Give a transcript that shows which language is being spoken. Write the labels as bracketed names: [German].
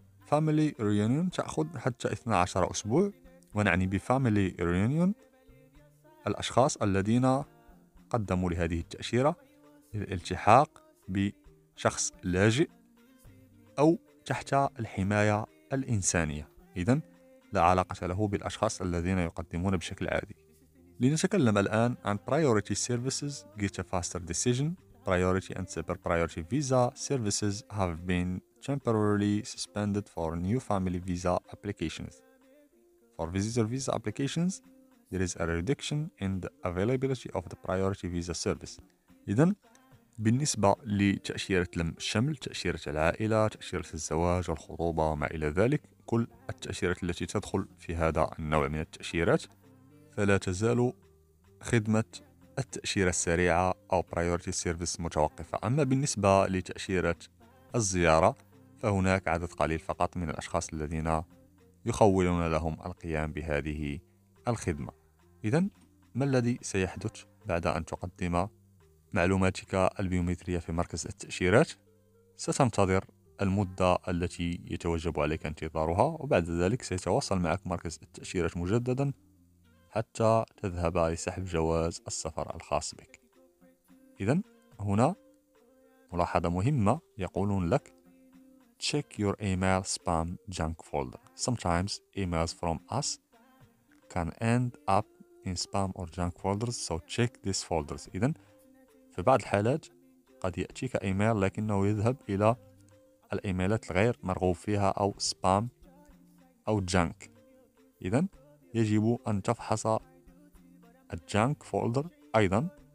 [Arabic] Family Reunion تأخذ حتى 12 أسبوع، ونعني بFamily Reunion الأشخاص الذين قدموا لهذه التأشيرة الالتحاق بشخص لاجئ أو تحت الحماية الإنسانية. إذن لا علاقة له بالأشخاص الذين يقدمون بشكل عادي. لنتكلم الآن عن [English] Priority Services Get a Faster Decision priority and super priority visa services have been temporarily suspended for new family visa applications. For visitor visa applications, there is a reduction in the availability of the priority visa service. [Arabic] إذن بالنسبة لتأشيرة لم الشمل، تأشيرة العائلة، تأشيرة الزواج والخطوبة وما إلى ذلك، كل التأشيرات التي تدخل في هذا النوع من التأشيرات، فلا تزال خدمة التأشيرة السريعة أو Priority Service متوقفة. أما بالنسبة لتأشيرة الزيارة، فهناك عدد قليل فقط من الأشخاص الذين يخولون لهم القيام بهذه الخدمة. إذن ما الذي سيحدث بعد أن تقدم معلوماتك البيومترية في مركز التأشيرات؟ ستنتظر المدة التي يتوجب عليك انتظارها، وبعد ذلك سيتواصل معك مركز التأشيرات مجددا حتى تذهب لسحب جواز السفر الخاص بك. إذن هنا ملاحظة مهمة، يقولون لك [English] check your email spam junk folder. Sometimes emails from us can end up in spam or junk folders, so check these folders. [Arabic] إذن في بعض الحالات قد يأتيك إيميل لكنه يذهب إلى الإيميلات الغير مرغوب فيها أو سبام أو جانك. إذن يجب أن تفحص الجانك فولدر أيضا.